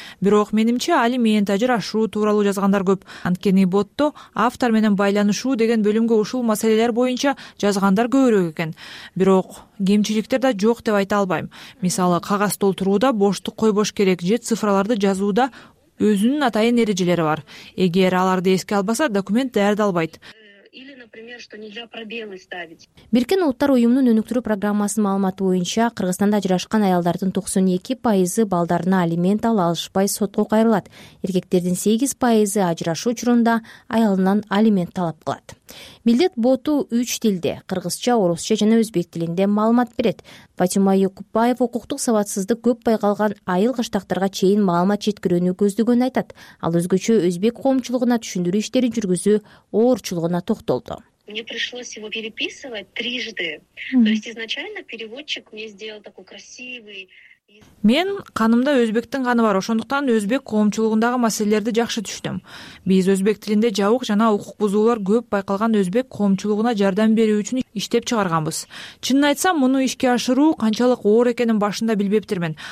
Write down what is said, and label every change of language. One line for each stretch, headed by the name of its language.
Kyrgyz: Бирок менимче алимент ажырашуу тууралуу жазгандар көп. Анткени ботто автор менен байланышуу деген бөлүмгө ушул маселелер боюнча жазгандар көбүрөөк экен. Бирок кемчиликтер да жок деп айта албайм. Мисалы, кагаз толтурууда боштук койбош керек же цифраларды жазууда өзүнүн атайын эрежелери бар. Эгер аларды эске албаса, документ даярдалбайт.
Russian: Или, например, что нельзя пробелы ставить.
Kyrgyz: Бириккен Улуттар Уюмунун өнүктүрүү программасынын маалыматы боюнча, Кыргызстанда ажырашкан аялдардын 92% балдарына алимент ала алышпай сотко кайрылат. Эркектердин 8% ажырашуу учурунда аялынан алимент талап кылат. Милдет боту 3 тилде: кыргызча, орусча жана өзбек тилинде маалымат берет. Фатима Якупбаева укуктук сабатсыздык көп байкалган айыл кыштактарга чейин маалымат жеткирүүнү көздөгөнүн айтат. Ал өзгөчө өзбек коомчулугуна түшүндүрүү иштерин жүргүзүү оорчулугуна токтолду.
Russian: Мне пришлось его переписывать 3 раза. То есть изначально переводчик мне сделал такой красивый.
Kyrgyz: Мен канымда өзбектин каны бар, ошондуктан өзбек коомчулугундагы маселелерди жакшы түшүнөм. Биз өзбек тилинде жабык жана укук бузуулар көп байкалган өзбек коомчулугуна жардам берүү үчүн иштеп чыгарганбыз. Чынын айтсам, муну ишке ашыруу канчалык оор экенин башында билбептирмин.